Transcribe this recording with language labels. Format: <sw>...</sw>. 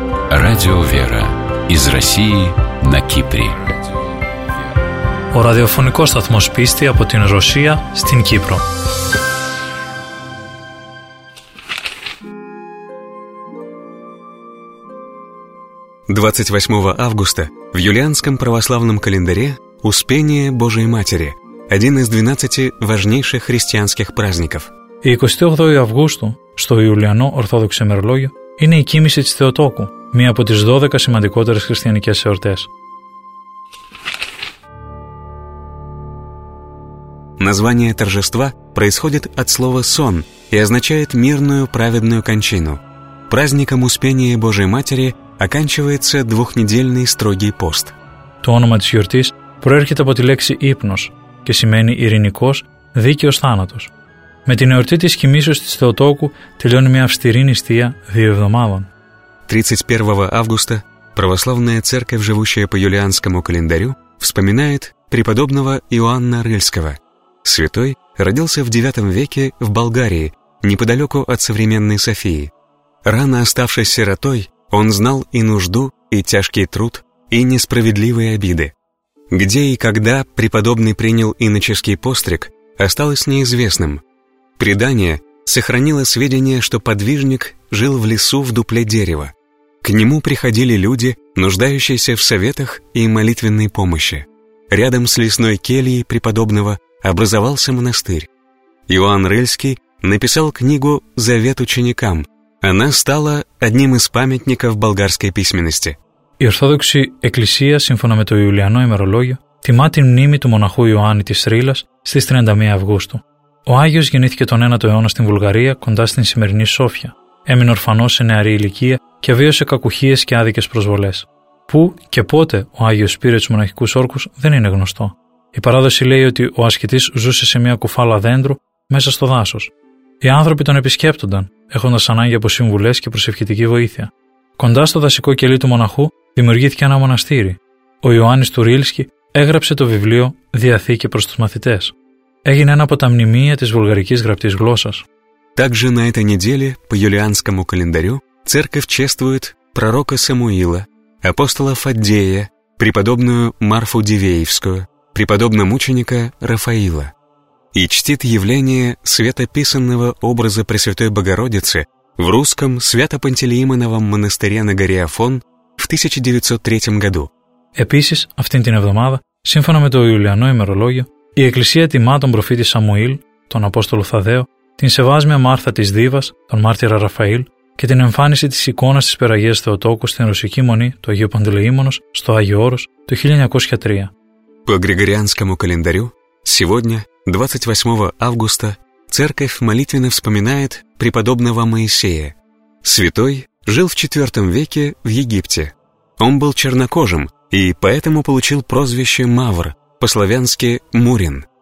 <ru>Радио «Вера» из России на Кипре.</ru> <el>Ο ραδιοφωνικός σταθμός πίστη από την Ρωσία στην Κύπρο.</el> <ru>Двадцать августа в юлианском православном календаре Успение Божией Матери, один из 12 важнейших христианских праздников.</ru> <el>28</el> <ru>августа</ru> <el>στο Ιουλιανό Ορθόδοξο ημερολόγιο είναι η κοίμηση της Θεοτόκου, μία από τις 12 σημαντικότερες χριστιανικές εορτές.</el> <ru>Название торжества происходит от слова «сон» и означает «мирную праведную кончину». Праздником Успения Божией Матери оканчивается двухнедельный строгий пост.</ru> <el>Το όνομα της γιορτής προέρχεται από τη λέξη «ύπνος» και σημαίνει «ειρηνικός, δίκαιος θάνατος». Με την εορτή της κοιμήσεως της Θεοτόκου τελειώνει μια αυστηρή νηστεία 2 εβδομάδων.</el> <ru>31 августа православная церковь, живущая по юлианскому календарю, вспоминает преподобного Иоанна Рыльского. Святой родился в 9 веке в Болгарии, неподалеку от современной Софии. Рано оставшись сиротой, он знал и нужду, и тяжкий труд, и несправедливые обиды. Где и когда преподобный принял иноческий постриг, осталось неизвестным. Предание сохранило сведения, что подвижник жил в лесу в дупле дерева. К нему приходили люди, нуждающиеся в советах и молитвенной помощи. Рядом с лесной кельей преподобного образовался монастырь. Иоанн Рыльский написал книгу «Завет ученикам». Она стала одним из памятников болгарской письменности.</ru> <el>Η Ορθόδοξη Εκκλησία, σύμφωνα με το Ιουλιανό ημερολόγιο, τιμά την μνήμη του μοναχού Ιωάννη της Ρήλας στις 31 Αυγούστου. Ο Άγιος γεννήθηκε τον 9ο αιώνα στην Βουλγαρία, κοντά στην σημερινή Σόφια. Έμεινε ορφανός σε νεαρή ηλικία και βίωσε κακουχίες και άδικες προσβολές. Πού και πότε ο Άγιος πήρε τους μοναχικούς όρκους δεν είναι γνωστό. Η παράδοση λέει ότι ο ασκητής ζούσε σε μια κουφάλα δέντρου μέσα στο δάσος. Οι άνθρωποι τον επισκέπτονταν, έχοντας ανάγκη από συμβουλές και προσευχητική βοήθεια. Κοντά στο δασικό κελί του μοναχού δημιουργήθηκε ένα μοναστήρι. Ο Ιωάννης του Ρίλσκι έγραψε το βιβλίο «Διαθήκη προς τους μαθητές». Έγινε ένα από τα μνημεία της βουλγαρικής γραπτής γλώσσας.</el> <ru>Также на этой неделе по юлианскому календарю церковь чествует пророка Самуила, апостола Фаддея, преподобную Марфу Дивеевскую, преподобного мученика Рафаила и чтит явление светописанного образа Пресвятой Богородицы в русском Свято-Пантелеимоновом монастыре на горе Афон в 1903 году.</ru> <el>Επίσης, αυτήν την εβδομάδα, σύμφωνα με το Ιουλιανό ημερολόγιο, η Εκκλησία τιμά τον προφήτη Σαμουήλ, τον Απόστολο Θαδαίο, την σεβάσμια Μάρθα της Δίβας, τον μάρτυρα Ραφαήλ και την εμφάνιση της εικόνας της Περαγίας Θεοτόκου στην Ρωσική Μονή του Αγίου Παντελεήμονος στο Άγιο Όρος το 1903.</el> <ru>По Григорианскому календарю, сегодня, 28 августа, церковь молитвенно вспоминает преподобного Моисея. Святой жил в 4 веке в Египте. Он был чернокожим и поэтому получил прозвище Мавр, по-славянски Мурин.</ru>